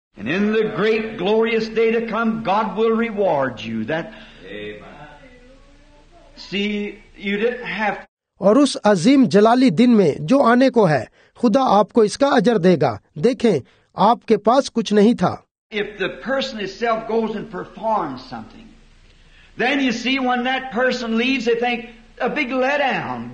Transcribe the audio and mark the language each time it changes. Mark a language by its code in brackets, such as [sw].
[en] And in the great, glorious day to come, God will reward you. That. See, you didn't have. [hi] और उस अजीम जलाली दिन में जो आने को है, खुदा आपको इसका अजर देगा। देखें, आपके पास कुछ नहीं था। [en] If the person itself goes and performs something, then you see when that person leaves, they think a big letdown.